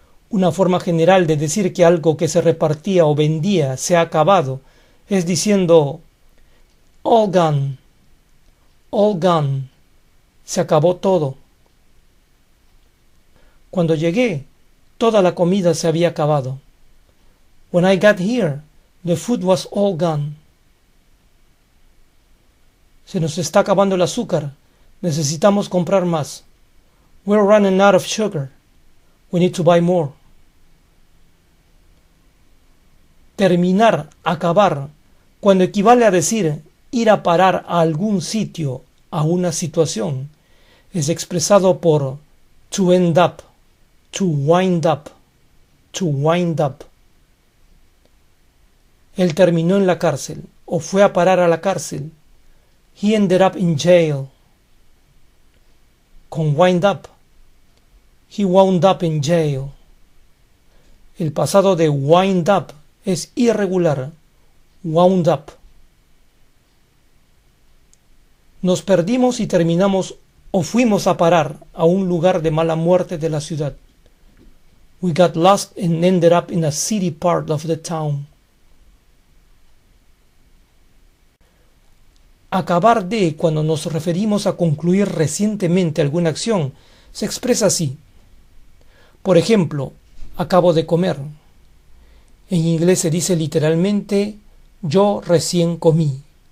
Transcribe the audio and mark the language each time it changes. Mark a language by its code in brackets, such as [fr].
[es] Una forma general de decir que algo que se repartía o vendía se ha acabado es diciendo all gone. [en] All gone. [es] Se acabó todo. Cuando llegué, toda la comida se había acabado. [en] When I got here, the food was all gone. [es] Se nos está acabando el azúcar. Necesitamos comprar más. [en] We're running out of sugar. We need to buy more. [es] Terminar, acabar, cuando equivale a decir ir a parar a algún sitio, a una situación, es expresado por to end up, to wind up, to wind up. Él terminó en la cárcel o fue a parar a la cárcel. [en] He ended up in jail. [es] Con wind up. [en] He wound up in jail. [es] El pasado de wind up es irregular. [en] Wound up. [es] Nos perdimos y terminamos o fuimos a parar a un lugar de mala muerte de la ciudad. [en] We got lost and ended up in a city part of the town. [es] Acabar de, cuando nos referimos a concluir recientemente alguna acción, se expresa así. Por ejemplo, acabo de comer. En inglés se dice literalmente, yo recién comí.